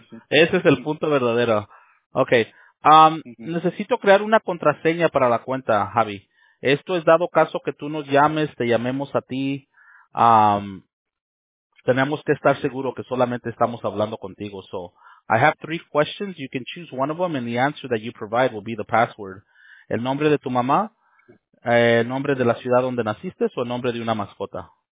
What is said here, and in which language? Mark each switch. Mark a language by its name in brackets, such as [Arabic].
[Spanish] Ese es el punto verdadero. Okay. Necesito crear una contraseña para la cuenta, Javi. Esto es dado caso que tú nos llames, te llamemos a ti. Tenemos que estar seguro que solamente estamos hablando contigo. [English] So, I have 3 questions. You can choose one of them and the answer that you provide will be the password. [Spanish] ¿El nombre de tu mamá, el nombre de la ciudad donde naciste o el nombre de una mascota?